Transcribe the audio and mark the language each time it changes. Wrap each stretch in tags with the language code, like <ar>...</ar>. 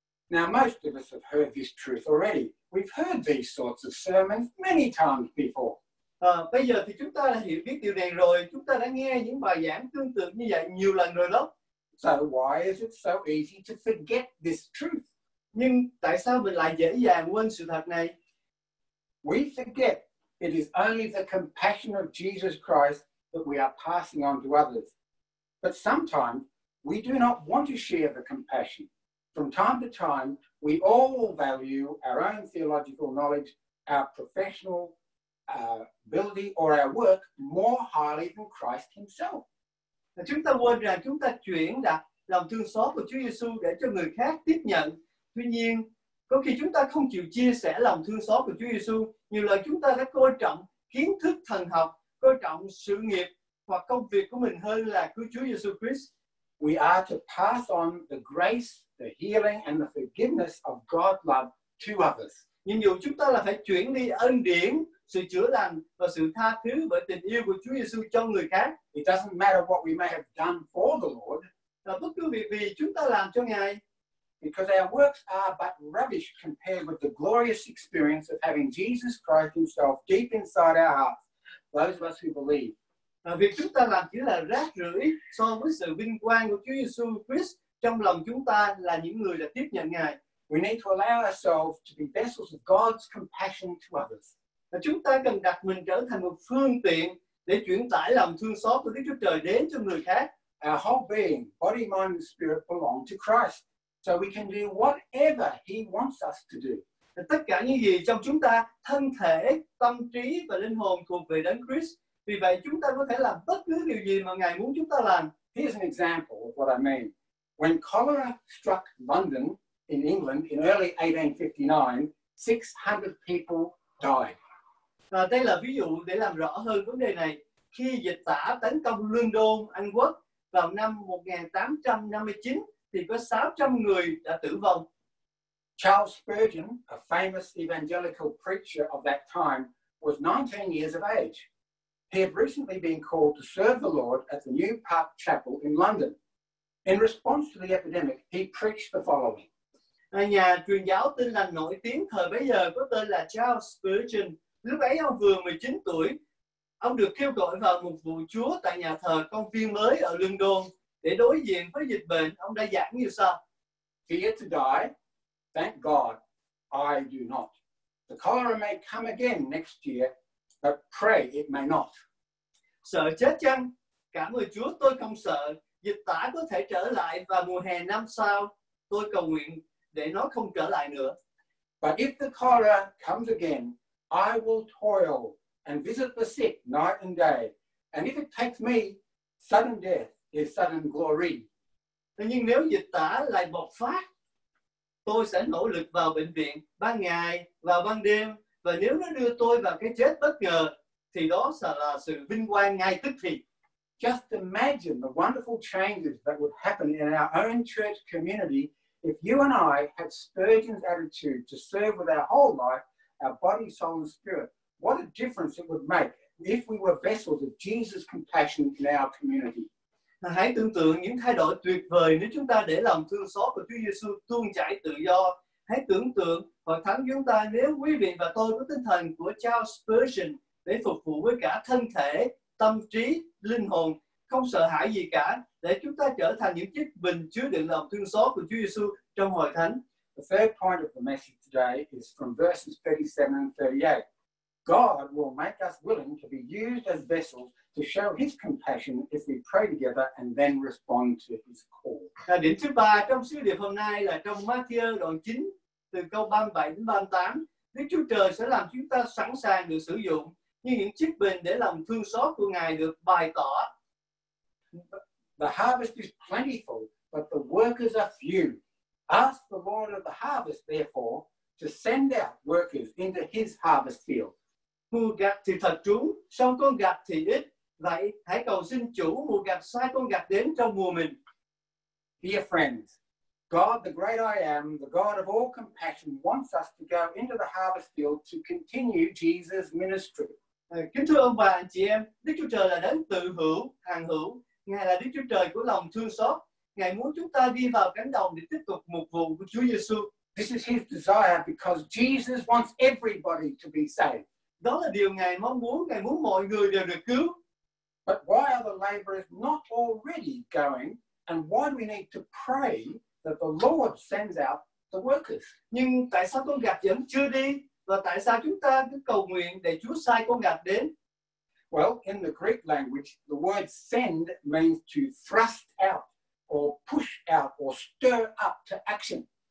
<en>Now most of us have heard this truth already. We've heard these sorts of sermons many times before.</en> <vi>Bây giờ thì chúng ta đã hiểu biết điều này rồi. Chúng ta đã nghe những bài giảng tương tự như vậy nhiều lần rồi đó.</vi> <en>So why is it so easy to forget this truth?</en> <vi>Nhưng tại sao mình lại dễ dàng quên sự thật này?</vi> <en>We forget. It is only the compassion of Jesus Christ that we are passing on to others. But sometimes we do not want to share the compassion. From time to time, we all value our own theological knowledge, our professional ability, or our work more highly than Christ Himself.</en> <vi>Chúng ta quên rằng chúng ta chuyển đặt lòng thương xót của Chúa Giêsu để cho người khác tiếp nhận. Tuy nhiên, có khi chúng ta không chịu chia sẻ lòng thương xót của Chúa Giêsu. Nhiều lần chúng ta đã coi trọng kiến thức thần học, coi trọng sự nghiệp hoặc công việc của mình hơn là cứu Chúa Giêsu Christ.</vi> <en>We are to pass on the grace, the healing and the forgiveness of God's love to others.</en> <vi>Nhiệm vụ chúng ta là phải chuyển đi ân điển, sự chữa lành và sự tha thứ bởi tình yêu của Chúa Giêsu cho người khác.</vi> <en>It doesn't matter what we may have done for the Lord.</en> <vi>Và bất cứ việc gì chúng ta làm cho Ngài.</vi> <en>Because our works are but rubbish compared with the glorious experience of having Jesus Christ Himself deep inside our hearts, those of us who believe.</en> <vi>Việc chúng ta làm chỉ là rác rưởi so với sự vinh quang của Chúa Giêsu Christ trong lòng chúng ta là những người đã tiếp nhận Ngài.</vi> <en>We need to allow ourselves to be vessels of God's compassion to others.</en> <vi>Chúng ta cần đặt mình trở thành một phương tiện để chuyển tải lòng thương xót của Đức Chúa Trời đến cho người khác.</vi> <en>Our whole being, body, mind, and spirit belong to Christ. So we can do whatever He wants us to do.</en> <vi>Tất cả những gì trong chúng ta, thân thể, tâm trí và linh hồn thuộc về Đấng Christ. Vì vậy chúng ta có thể làm bất cứ điều gì mà Ngài muốn chúng ta làm.</vi> <en>Here's an example of what I mean. When cholera struck London in England in early 1859, 600 people died.</en> <vi>Đây là ví dụ để làm rõ hơn vấn đề này. Khi dịch tả tấn công London, Anh Quốc vào năm 1859, thì có 600 người đã tử vong.</vi> <en>Charles Spurgeon, a famous evangelical preacher of that time, was 19 years of age. He had recently been called to serve the Lord at the New Park Chapel in London. In response to the epidemic, he preached the following.</en> <vi>Nhà truyền giáo Tin Lành nổi tiếng thời bấy giờ có tên là Charles Spurgeon. Lúc ấy ông vừa 19 tuổi, ông được kêu gọi vào một vụ chúa tại nhà thờ công viên mới ở London. Để đối diện với dịch bệnh, ông đã giảng như sau.</vi> <en>Fear to die? Thank God, I do not. The cholera may come again next year, but pray it may not.</en> <vi>Sợ chết chăng? Cảm ơn Chúa, tôi không sợ. Dịch tả có thể trở lại vào mùa hè năm sau. Tôi cầu nguyện để nó không trở lại nữa.</vi> <en>But if the cholera comes again, I will toil and visit the sick night and day. And if it takes me, sudden death. His sudden glory.</en> <vi>Nhưng nếu dịch tả lại bộc phát, tôi sẽ nỗ lực vào bệnh viện ban ngày và ban đêm, và nếu nó đưa tôi vào cái chết bất ngờ, thì đó sẽ là sự vinh quang ngay tức thì.</vi> <en>Just imagine the wonderful changes that would happen in our own church community if you and I had Spurgeon's attitude to serve with our whole life, our body, soul, and spirit. What a difference it would make if we were vessels of Jesus' compassion in our community.</en> <vi>Hãy tưởng tượng những thay đổi tuyệt vời nếu chúng ta để lòng thương xót của Chúa Giêsu tuôn chảy tự do. Hãy tưởng tượng Hội Thánh chúng ta nếu quý vị và tôi có tinh thần của Charles Spurgeon để phục vụ với cả thân thể, tâm trí, linh hồn, không sợ hãi gì cả, để chúng ta trở thành những chiếc bình chứa đựng lòng thương xót của Chúa Giêsu trong Hội Thánh.</vi> <en>The third point of the message today is from verses 37 and 38. God will make us willing to be used as vessels to show His compassion if we pray together and then respond to His call.</en> <vi>Và điểm thứ ba trong sứ điệp hôm nay là trong Matthew đoạn 9 từ câu 37 đến 38. Đức Chúa Trời sẽ làm chúng ta sẵn sàng được sử dụng như những chiếc bình để lòng thương xót của Ngài được bày tỏ.</vi> <en>The harvest is plentiful, but the workers are few. Ask the Lord of the harvest, therefore, to send out workers into His harvest field.</en> <vi>Mùa gặt thì thật trúng, song con gặt thì ít. Vậy hãy cầu xin Chủ mùa gặt sai con gặt đến trong mùa mình.</vi> <en>Dear friends, God the great I am, the God of all compassion, wants us to go into the harvest field to continue Jesus' ministry.</en> <vi>Kính thưa ông bà, anh chị em, Đức Chúa Trời là đấng tự hữu, hằng hữu. Ngài là Đức Chúa Trời của lòng thương xót. Ngài muốn chúng ta đi vào cánh đồng để tiếp tục mục vụ của Chúa Giêsu.</vi> <en>This is His desire because Jesus wants everybody to be saved.</en> <vi>Đó là điều Ngài mong muốn. Ngài muốn mọi người đều được cứu.</vi> <en>But why are the laborers not already going? And why do we need to pray that the Lord sends out the workers?</en> <vi>Nhưng tại sao con gặt vẫn chưa đi? Và tại sao chúng ta cứ cầu nguyện để Chúa sai con gặt đến?</vi> <en>Well, in the Greek language, the word send means to thrust out, or push out, or stir up to action.</en>